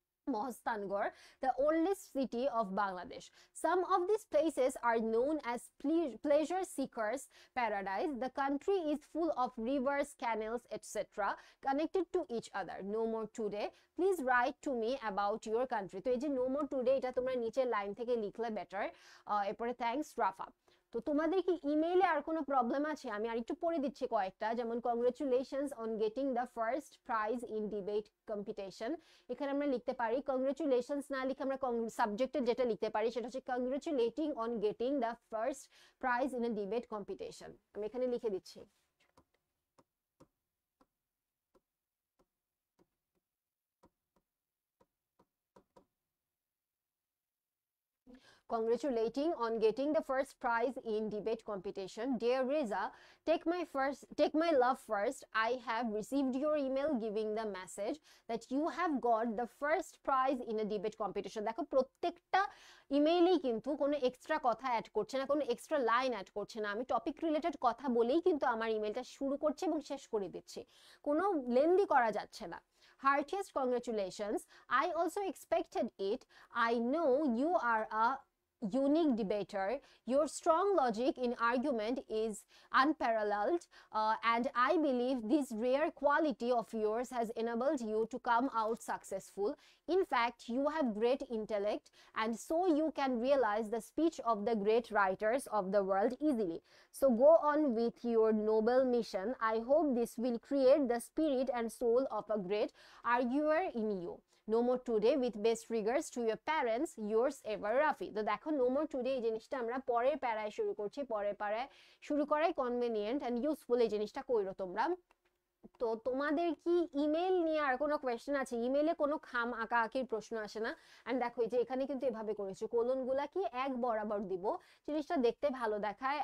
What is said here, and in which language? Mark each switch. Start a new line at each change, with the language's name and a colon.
English: Mohostangor, the oldest city of Bangladesh. Some of these places are known as pleasure seekers paradise. The country is full of rivers, canals, etc., connected to each other. No more today. Please write to me about your country.
Bangla: To eje
English: no more today,
Bangla: eta tumra niche line theke likhle better. Epore thanks, Rafa. তো তোমাদের কি ইমেইলে আর কোনো problem আছে? আমি আর একটু পড়ে দিচ্ছি কয়েকটা, যেমন
English: Congratulations on getting the first prize in debate competition.
Bangla: এখানে আমরা লিখতে পারি কংগ্রেচুলেশনস, না লিখে আমরা সাবজেক্টে যেটা লিখতে পারি সেটা হচ্ছে
English: Congratulating on getting the first prize in a debate competition.
Bangla: আমি এখানে লিখে দিচ্ছি,
English: congratulating on getting the first prize in debate competition. Dear Reza, take my love first. I have received your email giving the message that you have got the first prize in a debate competition.
Bangla: দেখো প্রত্যেকটা ইমেইলই কিন্তু কোনো extra কথা add করছে না, কোনো extra line add করছে না, আমি টপিক রিলেটেড কথা বলেই কিন্তু আমার ইমেইলটা শুরু করছে এবং শেষ করে দিচ্ছে, কোনো লেন্দি করা যাচ্ছে না।
English: Heartiest congratulations. I also expected it. I know you are a unique debater. Your strong logic in argument is unparalleled, and I believe this rare quality of yours has enabled you to come out successful. In fact, you have great intellect, and so you can realize the speech of the great writers of the world easily. So go on with your noble mission. I hope this will create the spirit and soul of a great arguer in you. No more today, with best regards to your parents, yours ever, Rafi.
Bangla: তো দেখো,
English: no more today
Bangla: এই জিনিসটা আমরা পরের প্যারায় শুরু করছি, পরের প্যারায় শুরু করাই কনভেনিয়েন্ট অ্যান্ড ইউজফুল এই জিনিসটা কইরো তোমরা। তো তোমাদের কি ইমেল নিয়ে আর কোনো কোয়েশ্চেন আছে? ইমেলে কোনো খাম আঁকাআঁকির প্রশ্ন আসে না। এন্ড দেখো এই যে এখানে কিন্তু এভাবে করেছো, কোলন গুলা কি এক বরাবর দিব, জিনিসটা দেখতে ভালো দেখায়।